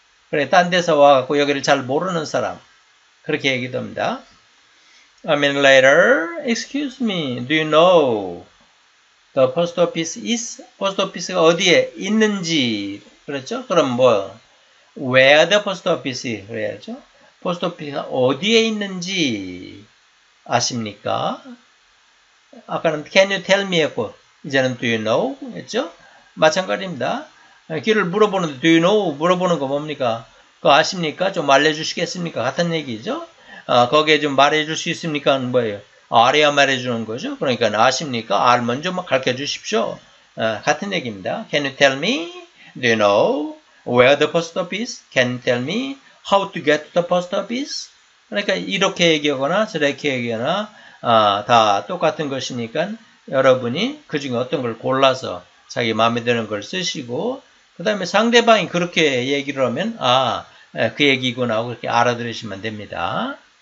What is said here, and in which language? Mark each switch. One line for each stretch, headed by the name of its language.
Korean: 그래 딴 데서 와갖고 여기를 잘 모르는 사람 그렇게 얘기도 합니다.
English: A minute later, excuse me, do you know the post office is?
Korean: Post office가 어디에 있는지, 그렇죠? 그럼 뭐,
English: where the post office?
Korean: 그래야죠. Post office가 어디에 있는지 아십니까? 아까는
English: can you tell me
Korean: 했고, 이제는
English: do you know?
Korean: 했죠? 마찬가지입니다. 길을 물어보는데
English: do you know?
Korean: 물어보는 거 뭡니까? 그거 아십니까? 좀 알려주시겠습니까? 같은 얘기죠? 거기에 좀 말해 줄 수 있습니까? 뭐예요? 알아야 말해 주는 거죠. 그러니까 아십니까? 알면 좀 가르쳐 주십시오. 같은 얘기입니다.
English: Can you tell me? Do you know where the post office? Can you tell me how to get to the post office?
Korean: 그러니까 이렇게 얘기하거나 저렇게 얘기하거나 다 똑같은 것이니까 여러분이 그 중에 어떤 걸 골라서 자기 마음에 드는 걸 쓰시고 그 다음에 상대방이 그렇게 얘기를 하면 아, 그 얘기구나 그렇게 알아들으시면 됩니다.